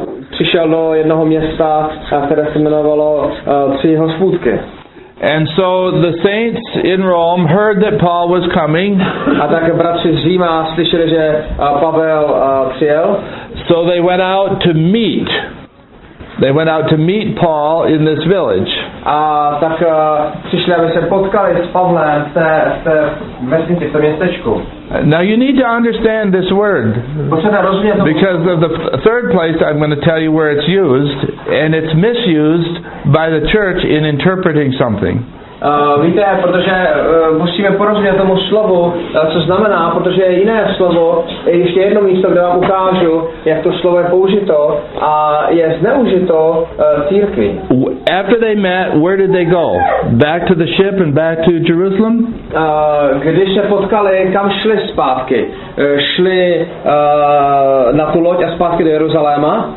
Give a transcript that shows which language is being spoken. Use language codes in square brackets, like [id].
[cs] Přišel do jednoho města, které se jmenovalo Tři hospůdky. [en] And so the saints in Rome heard that Paul was coming. [cs] A tak bratři z Říma slyšeli, že Pavel přijel. [en] So they went out to meet. They went out to meet Paul in this village. [cs] A tak přišli, aby se potkali s Pavlem v té vesnici, v tom městečku. [en] Now you need to understand this word. Because of the third place I'm going to tell you where it's used, and it's misused by the church in interpreting something. [cs] Víte, protože musíme porozumět tomu slovu, co znamená, protože je jiné slovo, je ještě jedno místo, kde vám ukážu, jak to slovo je použito a je zneužito církvi. [en] After they met, where did they go? Back to the ship and back to Jerusalem? [cs] Když se potkali, kam šli zpátky? Šli na tu loď a zpátky do Jeruzaléma?